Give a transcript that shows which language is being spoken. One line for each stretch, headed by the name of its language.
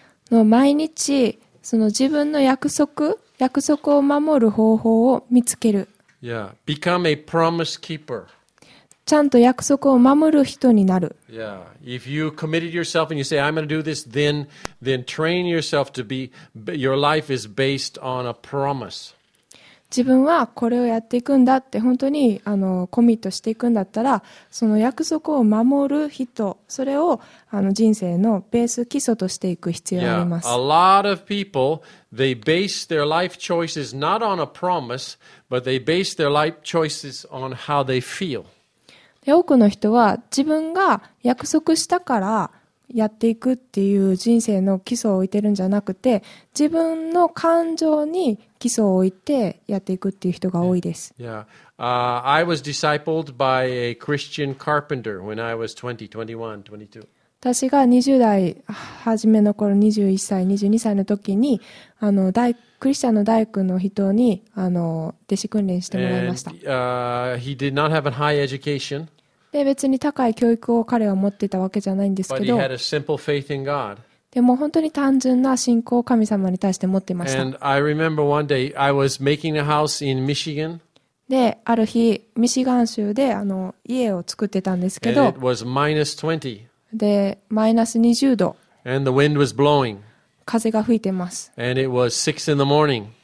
Japanese: の毎日その自分の約束を守る方法を見つける。
English: Yeah. Become a promise keeper.
Japanese: ちゃんと約束を守る人になる。
English: Yeah. If you committed yourself and you say, I'm going to do this, then train yourself to be, your life is based on a promise.
Japanese: 自分はこれをやっていくんだって本当にコミットしていくんだったら、その約束を守る人、それを人生のベース基礎としていく必要があります。
English: Yeah. A lot of people, they base their life choices not on a promise, but they base their life choices on how they feel.
Japanese: 多くの人は自分が約束したからやっていくっていう人生の基礎を置いてるんじゃなくて、自分の感情に基礎を置いてやっていくっていう人が多いです。
English: Yeah. I was discipled by a Christian carpenter when I was 20, 21, 22.
Japanese: 私が20代初めの頃、21歳、22歳の時に、クリスチャンの大工の人に、弟子訓練してもらいました。
English: And, he did not have a high education.
Japanese: で、別に高い教育を彼は持っていたわけじゃないんですけど、
English: But he had a simple faith in God.
Japanese: でも本当に単純な信仰を神様に対して持っていました。
English: And I remember one day I was making a house in Michigan.
Japanese: で、ある日ミシガン州で家を作ってたんですけど、
English: And it was minus 20.
Japanese: で、マイナス20度。
English: And the wind was blowing.
Japanese: 風が吹いてます。
English: And it was 6 in the morning.